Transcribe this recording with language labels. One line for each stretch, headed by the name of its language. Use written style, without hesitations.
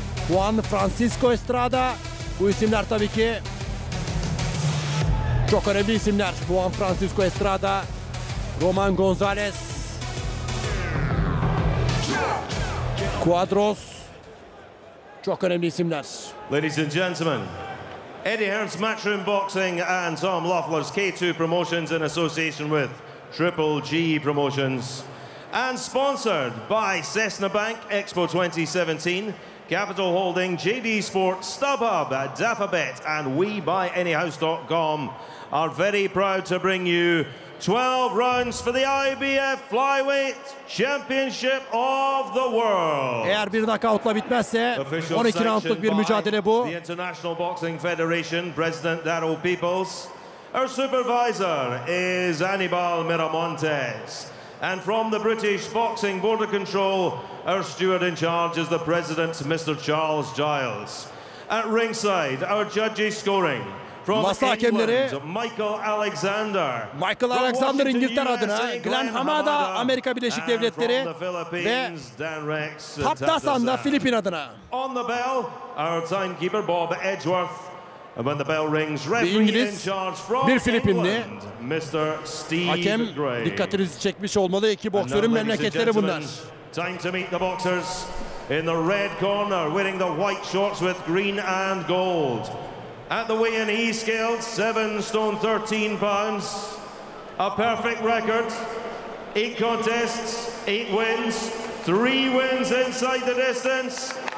Turkish: Juan Francisco Estrada, bu isimler tabii ki çok önemli isimler. Juan Francisco Estrada, Roman Gonzalez, Cuadros, çok önemli isimler.
English: Ladies and gentlemen, Eddie Hearn's Matchroom Boxing and Tom Loeffler's K2 Promotions in association with Triple G Promotions and sponsored by Cessna Bank Expo 2017. Capital Holding, JD Sports, StubHub, Dafabet, and WeBuyAnyHouse.com are very proud to bring you 12 rounds for the IBF Flyweight Championship of the World.
Turkish: Eğer bir knockout'la bitmezse, 12 round'luk bir mücadele bu.
English: The International Boxing Federation, President Darryl Peoples. Our supervisor is Anibal Miramontes. And from the British Boxing Border Control, our steward in charge is the President, Mr. Charles Giles. At ringside, our judges scoring from
Turkish: Masa England, hakemleri,
English: Michael Alexander.
Turkish: Michael Alexander İngiltere adına, Glenn Hamada Amerika Birleşik Devletleri ve Pap Dasan'da Filipin adına.
English: On the bell, our timekeeper Bob Edgeworth. And when the bell rings, referee
Turkish: İngiliz,
English: in charge from England, Mr. Steve
Turkish: hakem,
English: Gray.
Turkish: Hakem dikkatinizi çekmiş olmalı. İki boksörün memleketleri bunlar.
English: Time to meet the boxers in the red corner, wearing the white shorts with green and gold. At the weigh-in, he scaled 7 stone 13 pounds. A perfect record. 8 contests, 8 wins, 3 wins inside the distance.